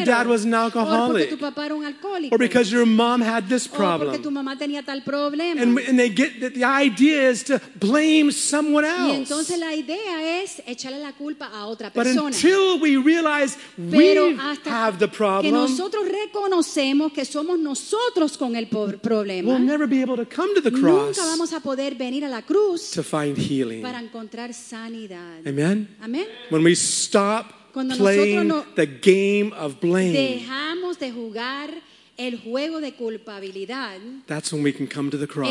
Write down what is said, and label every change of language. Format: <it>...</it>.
<en>Your dad was an alcoholic.</en> <es>Porque tu papá era un alcohólico.</es> <en>Or because your mom had this problem.</en> <es>Oh, porque tu mamá tenía tal problema.</es> <en>And they get the idea is to blame someone else.</en> <es>Y entonces la idea es echarle la culpa a otra persona.</es> <en>But until we realize we have the problem,</en> <es>que nosotros reconocemos que somos nosotros con el problema,</es> <en>we'll never be able to come to the cross.</en> <es>Nunca vamos a poder venir a la cruz</es> <en>to find healing.</en> <es>Para encontrar sanidad.</es> <en>Amen.</en> <es>Amen.</es> <en>When we stop</en> <es>cuando</es> <en>playing</en> <es>no</es> <en>the game of blame,</en> <es>dejamos de jugar el juego de culpabilidad,</es> <en>that's when we can come to the cross.</en>